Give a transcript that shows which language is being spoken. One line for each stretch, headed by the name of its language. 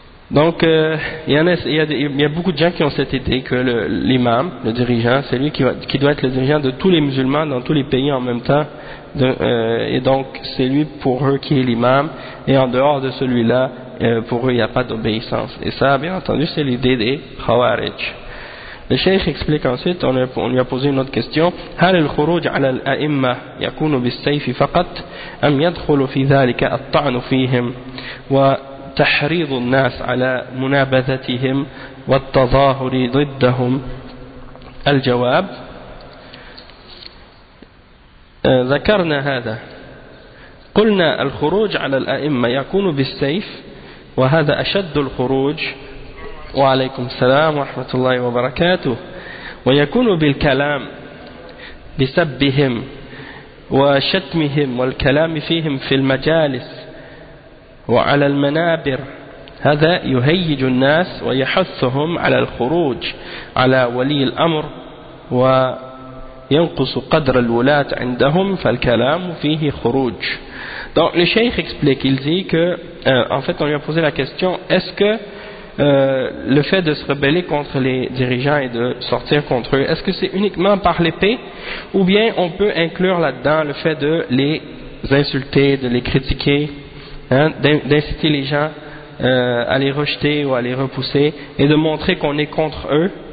French: Donc, il y a beaucoup de gens qui ont cette idée que l'imam, le dirigeant, c'est lui qui doit être le dirigeant de tous les musulmans dans tous les pays en même temps. Et donc, c'est lui pour eux qui est l'imam. Et en dehors de celui-là, pour eux, il n'y a pas d'obéissance. Et ça, bien entendu, c'est l'idée des khawarij. Le cheikh explique ensuite, on lui a posé une autre question.
Arabic: هل الخروج على الأئمة يكون بالسيف فقط أم يدخل في ذلك الطعن فيهم و تحريض الناس على منابذتهم والتظاهر ضدهم الجواب ذكرنا هذا قلنا الخروج على الأئمة يكون بالسيف وهذا أشد الخروج وعليكم السلام ورحمة الله وبركاته ويكون بالكلام بسبهم وشتمهم والكلام فيهم في المجالس وعلى المنابر هذا يهيج الناس ويحثهم على الخروج على ولي الأمر وينقص قدر الولاة عندهم فالكلام فيه خروج.
French: Donc le cheikh explique, il dit que en fait on lui a posé la question, est-ce que le fait de se rebeller contre les dirigeants et de sortir contre eux, est-ce que c'est uniquement par l'épée ou bien on peut inclure là-dedans le fait de les insulter, de les critiquer, d'inciter les gens à les rejeter ou à les repousser et de montrer qu'on est contre eux?